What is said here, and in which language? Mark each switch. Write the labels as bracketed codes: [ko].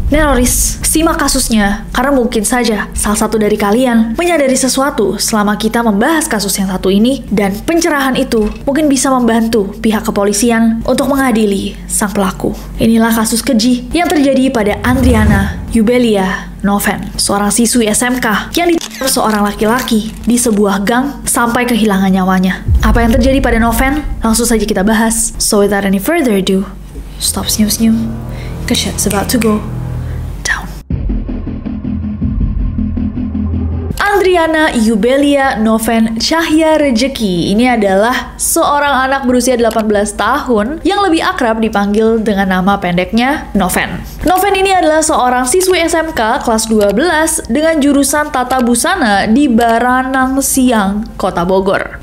[id] Neroris, simak kasusnya karena mungkin saja salah satu dari kalian menyadari sesuatu selama kita membahas kasus yang satu ini, dan pencerahan itu mungkin bisa membantu pihak kepolisian untuk mengadili sang pelaku. Inilah kasus keji yang terjadi pada Andriana Yubelia Noven, seorang siswi SMK yang ditinggal seorang laki-laki di sebuah gang sampai kehilangan nyawanya. Apa yang terjadi pada Noven? Langsung saja kita bahas. [en] So without any further ado, stop [id] senyum-senyum, [en] cause shit's about to go. [id] Andriana Yubelia Noven Cahya Rezeki ini adalah seorang anak berusia 18 tahun yang lebih akrab dipanggil dengan nama pendeknya Noven. Noven ini adalah seorang siswi SMK kelas 12 dengan jurusan tata busana di Baranang Siang, Kota Bogor.